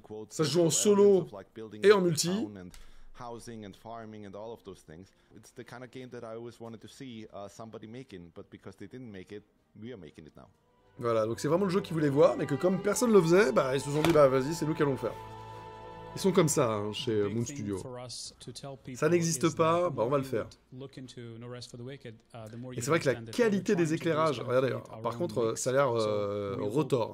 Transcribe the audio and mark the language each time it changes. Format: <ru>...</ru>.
<fr>Ça se joue en solo et en multi.</fr> <en>Housing and farming and all of those things. It's the kind of game that I always wanted to see somebody making, but because they didn't make it, we are making it now.</en> <fr>Voilà, donc c'est vraiment le jeu qu'ils voulaient voir, mais que comme personne le faisait, bah ils se sont dit bah vas-y, c'est nous qui allons le faire. Ils sont comme ça hein, chez Moon Studio. Ça n'existe pas, bah on va le faire. Et c'est vrai que la qualité des éclairages, regardez, par contre, ça a l'air retors.</fr>